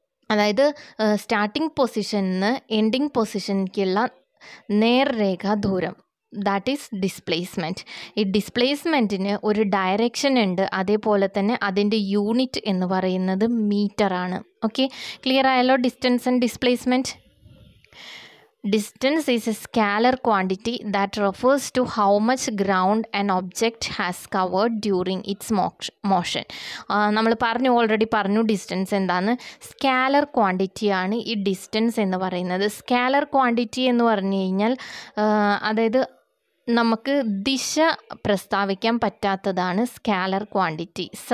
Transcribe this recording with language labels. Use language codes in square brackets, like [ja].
[ml] അതായത് starting പൊസിഷനിന്ന് ending പൊസിഷനിലേക്കുള്ള നേർരേഖ ദൂരം, [en] That is displacement. [ml] ഈ ഡിസ്പ്ലേസ്മെൻറ്റിന് ഒരു ഡയറക്ഷൻ ഉണ്ട്, അതേപോലെ തന്നെ അതിൻ്റെ യൂണിറ്റ് എന്ന് പറയുന്നത് മീറ്ററാണ്. ഓക്കെ, ക്ലിയർ ആയല്ലോ distance and displacement. [en] Distance is a scalar quantity that refers to how much ground an object has covered during its motion. [ml] നമ്മൾ പറഞ്ഞു, ഓൾറെഡി പറഞ്ഞു ഡിസ്റ്റൻസ് എന്താണ്. സ്കാലർ ക്വാണ്ടിറ്റിയാണ് ഈ ഡിസ്റ്റൻസ് എന്ന് പറയുന്നത്. സ്കാലർ ക്വാണ്ടിറ്റി എന്ന് പറഞ്ഞു കഴിഞ്ഞാൽ, അതായത് നമുക്ക് ദിശ പ്രസ്താവിക്കാൻ പറ്റാത്തതാണ് സ്കാലർ ക്വാണ്ടിറ്റി.